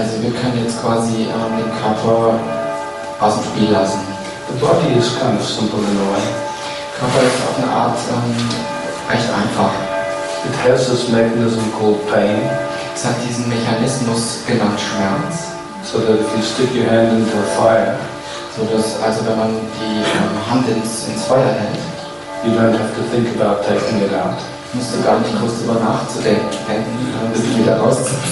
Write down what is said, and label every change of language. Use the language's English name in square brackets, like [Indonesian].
[German] Also wir können jetzt quasi den Körper aus dem Spiel lassen. [English] The body is kind of simple in a way. [German] Körper ist auf eine Art recht einfach. [English] It has this mechanism called pain. [German] Es hat diesen Mechanismus genannt Schmerz. [English] So that if you stick your hand into a fire, [German] so dass, also wenn man die Hand ins Feuer hält, [English] you don't have to think about taking it out. [German] Musst du gar nicht groß darüber nachzudenken, wenn du die wieder rausziehst.